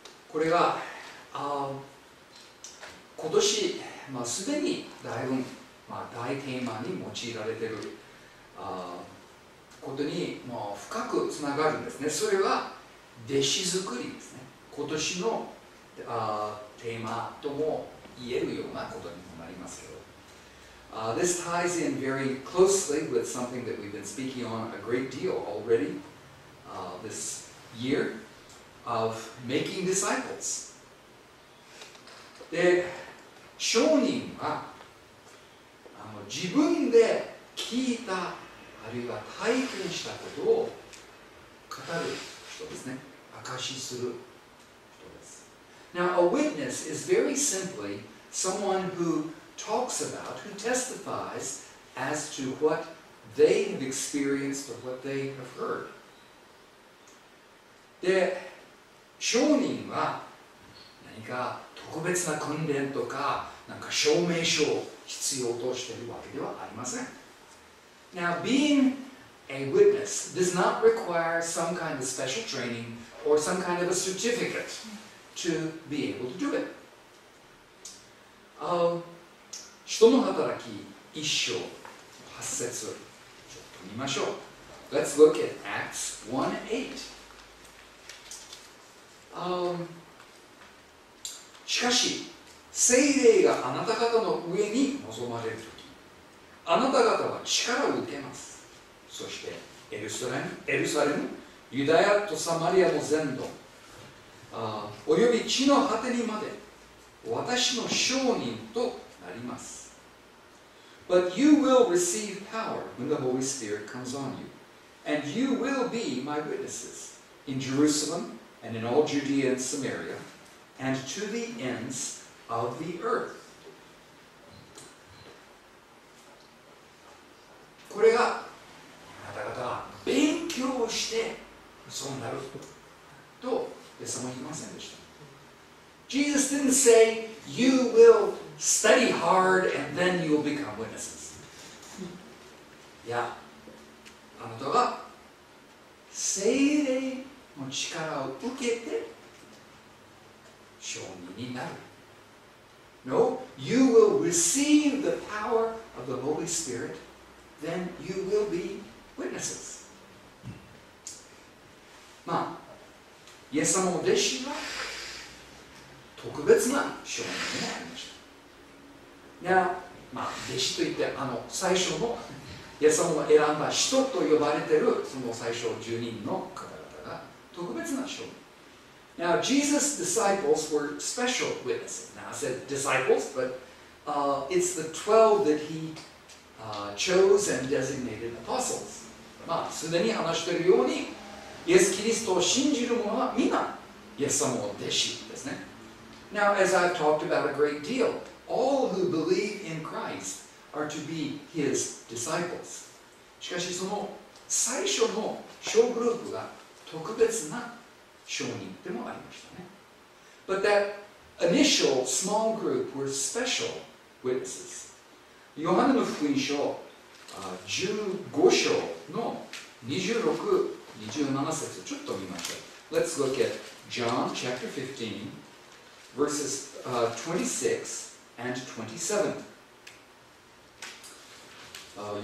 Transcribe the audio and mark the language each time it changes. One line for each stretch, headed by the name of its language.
Japanese: これが、今年、すでにだいぶ、大テーマに用いられてる、ことに、深くつながるんですね。それは弟子作りですね。今年のテーマとも言えるようなことにもなりますけど、
English: This ties in very closely with something that we've been speaking on a great deal already this year of making disciples.
Japanese: で、商人は自分で聞いたあるいは体験したことを語る人ですね。証しする。
English: Now, a witness is very simply someone who talks about, who testifies as to what they have experienced or what they have heard.
Japanese: で、証人は何か特別な訓練とか、なんか証明書を必要としているわけではありません。
English: Now, being a witness does not require some kind of special training or some kind of a certificate. To be able to do it.
Japanese: 人の働き一章八節ちょっと見ましょう。
English: Let's look at Acts 1:8.
Japanese: しかし聖霊があなた方の上に臨まれるとき、あなた方は力を受けます。そしてエルサレム、ユダヤとサマリアの全土。および地の果てにまで私の証人となります。
English: But you will receive power when the Holy Spirit comes on you, and you will be my witnesses in Jerusalem and in all Judea and Samaria and to the ends of the earth.
Japanese: これがあなた方はしてそうなると、とイエス様は言いませんでした。
English: Jesus didn't say, you will study hard and then you will become witnesses.
Japanese: いや、あなたが聖霊の力を受けて証人になる。
English: No, you will receive the power of the Holy Spirit, then you will be witnesses.
Japanese: まあ、イエス様の弟子は特別な証人になりました。 Now, まあ、弟子といって、あの最初のイエス様が選んだ使徒と呼ばれているその最初10人の方々が特別な証人。
English: Now, Jesus' disciples were special witnesses. Now, I said disciples, but it's the 12 that he chose and designated apostles.
Japanese: まあ、すでに話しているように、イエス・キリストを信じる者はみんな、イエス様の弟子ですね。
English: Now, as I've talked about a great deal, all who believe in Christ are to be his disciples.
Japanese: しかし、その最初の小グループが特別な証人でもありましたね。
English: But that initial small group were special witnesses.
Japanese: ヨハネの福音書15章の26、27節ちょっと見ましょう。
English: Let's look at John chapter 15 verses 26 and 27.